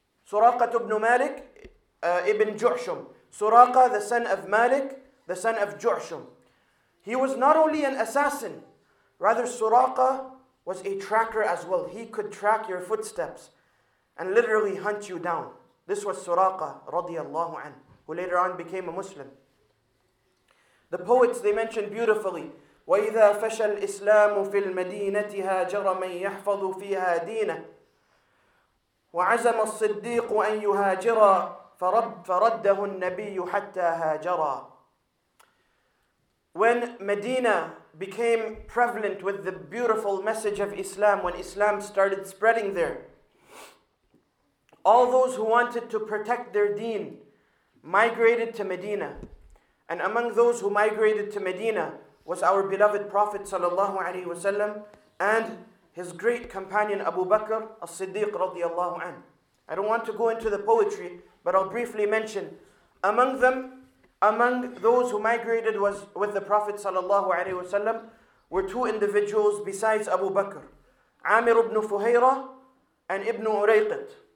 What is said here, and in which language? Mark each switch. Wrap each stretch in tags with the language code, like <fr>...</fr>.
<en>Suraqa ibn Malik ibn Ju'shum. Suraqa, the son of Malik, the son of Ju'shum. He was not only an assassin, rather Suraqa was a tracker as well. He could track your footsteps and literally hunt you down. This was Suraqa radiallahu anhu, who later on became a Muslim. The poets, they mention beautifully,</en> <ar>وَإِذَا فَشَلْ إِسْلَامُ فِي الْمَدِينَةِ هَاجَرَ مَنْ يَحْفَظُ فِيهَا دِينَهُ وَعَزَمَ الصِّدِّيقُ أَنْ يُهَاجِرَ فَرَدَّهُ النَّبِيُّ حَتَّى هَاجَرَ.</ar> <en>When Medina became prevalent with the beautiful message of Islam, when Islam started spreading there, all those who wanted to protect their deen migrated to Medina. And among those who migrated to Medina was our beloved Prophet sallallahu alaihi wasallam and his great companion Abu Bakr as-Siddiq radiyallahu anhu. I don't want to go into the poetry, but I'll briefly mention among those who migrated was with the Prophet sallallahu alaihi wasallam were two individuals besides Abu Bakr, Amir ibn Fuhayra and Ibn Urayqit.</en>